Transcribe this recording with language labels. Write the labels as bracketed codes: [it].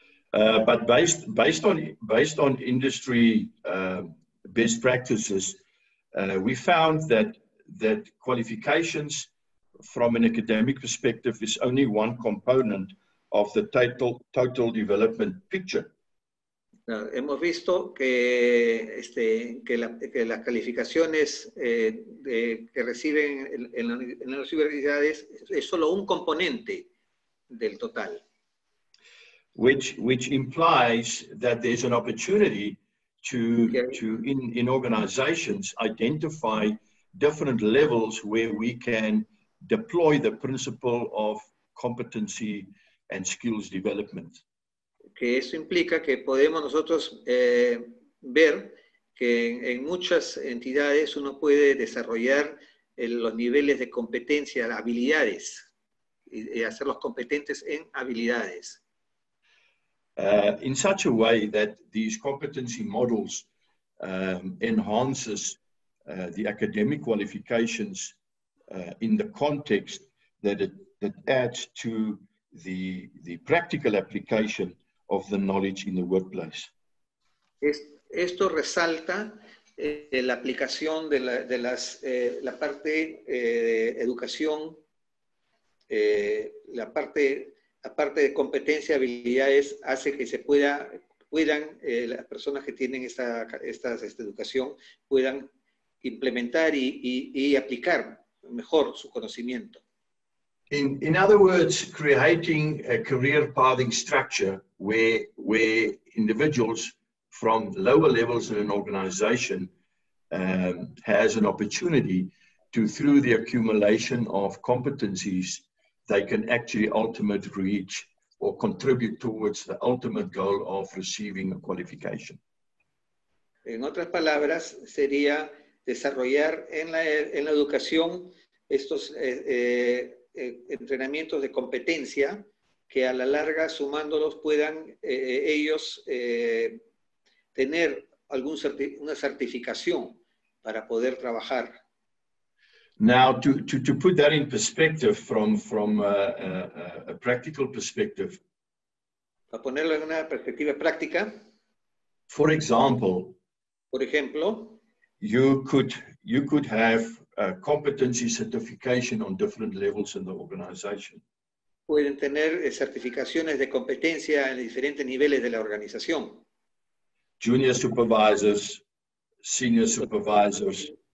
[en] But based on industry best practices, we found that qualifications from an academic perspective is only one component of the total development picture. [es] Hemos visto que las calificaciones que reciben en las universidades es solo un componente del total. [en] Which implies that there's an opportunity to in organizations identify different levels where we can deploy the principle of competency and skills development. [es] Que eso implica que podemos nosotros ver que en muchas entidades uno puede desarrollar los niveles de competencia, habilidades, y hacerlos competentes en habilidades. [en] In such a way that these competency models enhances the academic qualifications in the context that adds to the practical application of the knowledge in the workplace. [es] Esto resalta la aplicación de la parte educación, la parte de competencia, habilidades, hace que se puedan las personas que tienen esta educación puedan implementar y aplicar mejor su conocimiento. [en] In other words, creating a career pathing structure where individuals from lower levels in an organization has an opportunity to, through the accumulation of competencies, they can actually ultimately reach or contribute towards the ultimate goal of receiving a qualification. [es] En otras palabras, sería desarrollar en la educación estos entrenamientos de competencia que a la larga, sumándolos, puedan ellos tener una certificación para poder trabajar. [en] Now, to put that in perspective from a practical perspective. [es] Para ponerlo en una perspectiva práctica. [en] For example. [es] Por ejemplo. [en] You could have a competency certification on different levels in the organization. [es] Pueden tener certificaciones de competencia en diferentes niveles de la organización. [en] Junior supervisors, senior supervisors.